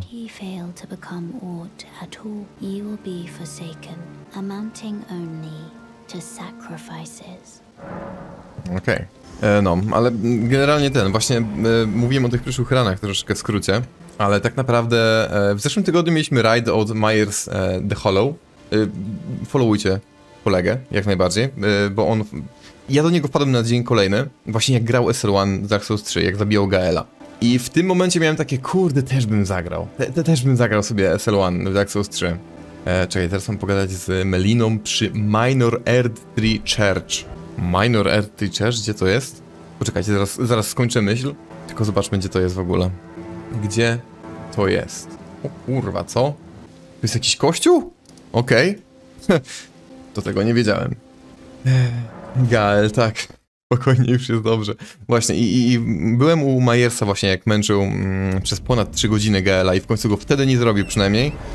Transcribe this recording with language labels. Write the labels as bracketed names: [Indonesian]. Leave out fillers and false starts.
[English] Should ye fail to become aught at all, ye will be forsaken, amounting only to sacrifices. Okay. [Polish] No, ale generalnie ten, właśnie mówiłem o tych przyszłych ranach troszeczkę w skrócie, ale tak naprawdę w zeszłym tygodniu mieliśmy raid od Myers The Hollow. Followujcie kolegę, jak najbardziej, bo on... Ja do niego wpadłem na dzień kolejny, właśnie jak grał SL1 Dark Souls 3, jak zabijał Gaela. I w tym momencie miałem takie, kurde, też bym zagrał. Też bym zagrał sobie SL1 Dark Souls 3. Czekaj, teraz mam pogadać z Meliną przy Minor Earth 3 Church. Minor Earth Church, gdzie to jest? Poczekajcie, zaraz skończę myśl. Tylko zobaczmy, gdzie to jest w ogóle. Gdzie to jest? O kurwa, co? To jest jakiś kościół? Okej. Okay. To tego nie wiedziałem. Gael, tak. Spokojnie, już jest dobrze. Właśnie, i byłem u Majersa właśnie, jak męczył przez ponad 3 godziny Gaela i w końcu go wtedy nie zrobił przynajmniej.